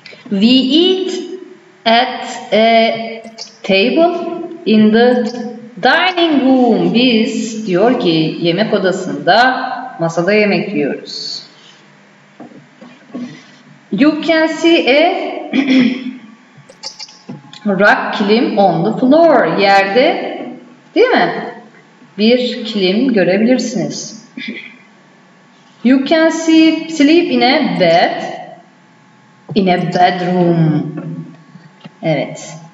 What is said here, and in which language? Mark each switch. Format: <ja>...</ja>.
<en>We eat at a table in the dining room.</en> <tr>Biz diyor ki yemek odasında masada yemek yiyoruz.</tr> <en>You can see a rug kilim on the floor.</en> <tr>Yerde, değil mi? Bir kilim görebilirsiniz.</tr> <en>You can see sleep in a bed. In a bedroom.</en> <tr>Evet.</tr>